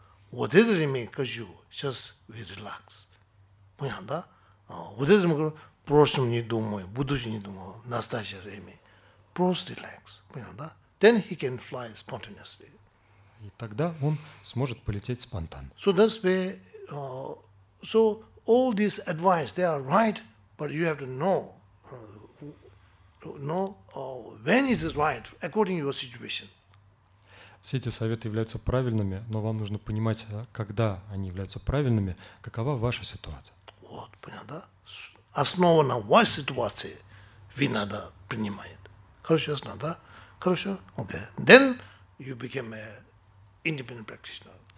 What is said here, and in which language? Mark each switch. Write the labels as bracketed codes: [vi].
[ru] Вот это время, скажу, сейчас вы релакс. Понял, да? Вот это мы говорим, в прошлом не думаю, в будущем не думаю, в настоящее время. Просто релакс, понял, да? [en] Then he can fly spontaneously. [ru] И тогда он сможет полететь спонтанно. [en] So that's where, so all these advice, they are right, but you have to know, when is it right, according to your situation. [ru] Все эти советы являются правильными, но вам нужно понимать, когда они являются правильными, какова ваша ситуация. Вот, понял, да? Основа на вашей ситуации вы надо принимать. Хорошо, ясно, да? Хорошо, окей. [en] Then you become a independent practitioner.